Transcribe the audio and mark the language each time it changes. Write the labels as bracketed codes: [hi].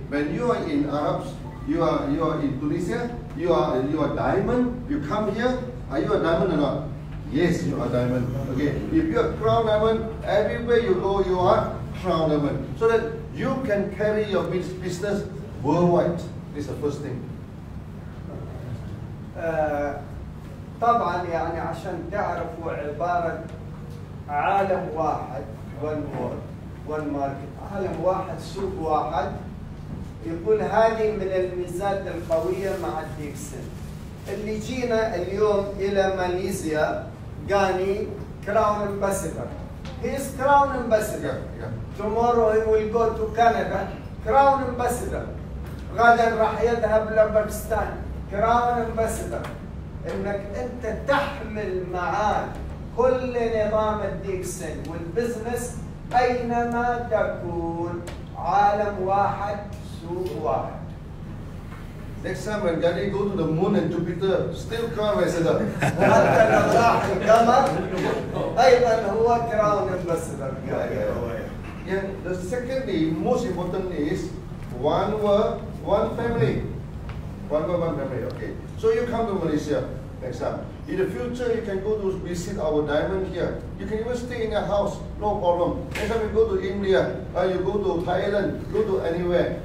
[en] When you are in Arabs, you are in Tunisia, you are diamond, you come here, are you a diamond or not? Yes, you are diamond. Okay. If you are crown diamond, everywhere you go, you are crown diamond. So that you can carry your business worldwide. This is the first thing. [ar] طبعا يعني عشان تعرفوا عبارة عالم واحد [en] one world one market [ar] عالم واحد سوق واحد يقول هذه من الميزات القوية مع ديكسن اللي جينا اليوم إلى ماليزيا غاني كراون امباسدر [en] he is crown ambassador [ar] tomorrow he will go to Canada crown ambassador غدا راح يذهب لباكستان crown ambassador انك انت تحمل معاك كل نظام الديكسن والبزنس اينما تكون عالم واحد سوق واحد. [en] Next time when Gandhi go to the moon and Jupiter, still crown ambassador. [ar] حتى لو راح القمر ايضا هو crown ambassador. [en] Yeah. The secondly, most important is one world, one family. One world, one family, okay. So you come to Malaysia. In the future, you can go to visit our diamond here. You can even stay in a house, no problem. Next time you go to India, or you go to Thailand, go to anywhere.